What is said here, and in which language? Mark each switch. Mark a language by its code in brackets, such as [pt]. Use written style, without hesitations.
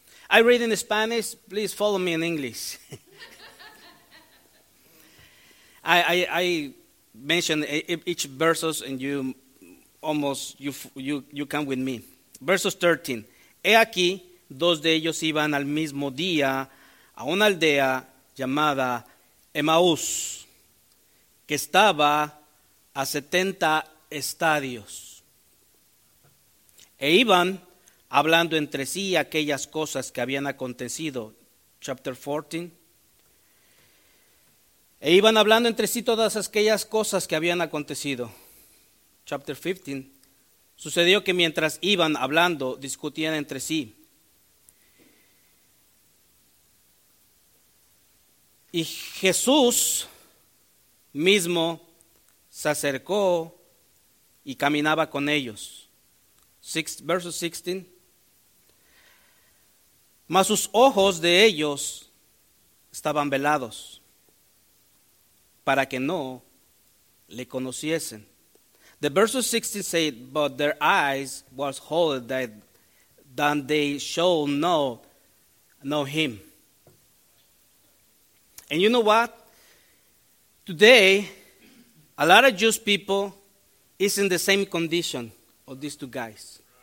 [en] I read in Spanish. Please follow me in English. I mention each verses, and you come with me. [es] Versos 13. He aquí, dos de ellos iban al mismo día a una aldea llamada Emaús, que estaba a 70 estadios. E iban hablando entre sí aquellas cosas que habían acontecido. [en] Chapter 14. [es] E iban hablando entre sí todas aquellas cosas que habían acontecido. [en] Chapter 15. [es] Sucedió que mientras iban hablando, discutían entre sí. Y Jesús mismo se acercó y caminaba con ellos. Verso 16. Mas sus ojos de ellos estaban velados para que no le conociesen. [en] The verse 16 said, but their eyes was holy that they shall know him. And you know what? Today, a lot of Jewish people is in the same condition of these two guys.